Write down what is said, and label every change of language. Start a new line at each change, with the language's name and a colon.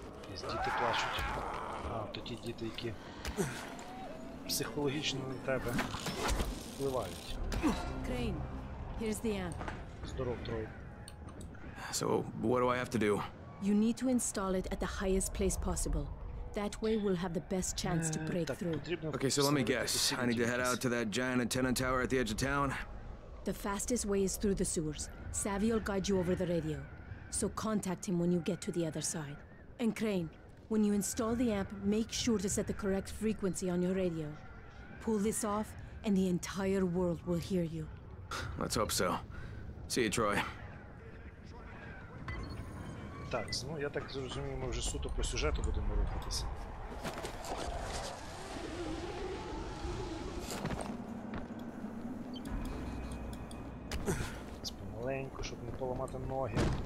Ukrainian: Якісь діти плачуть. А, то ті діти, які психологічно на тебе впливають.
English: Крейн, here's the amp. So, what do I have to do? You need to install it at the highest place possible. That way we'll have the best chance to break through. Okay, so let me guess. I need to head out to that giant antenna tower at the edge of town? The fastest way is through the sewers. Savvy will guide you over the radio. So contact him when you get to the other side. And Crane, when you install the amp, make sure to set the correct frequency on your radio. Pull this off, and the entire world will hear you. Let's hope so. See you, Troy.
Ukrainian: Так, ну я так зрозумів, ми вже суто по сюжету будемо рухатися. Помаленьку, щоб не поламати ноги.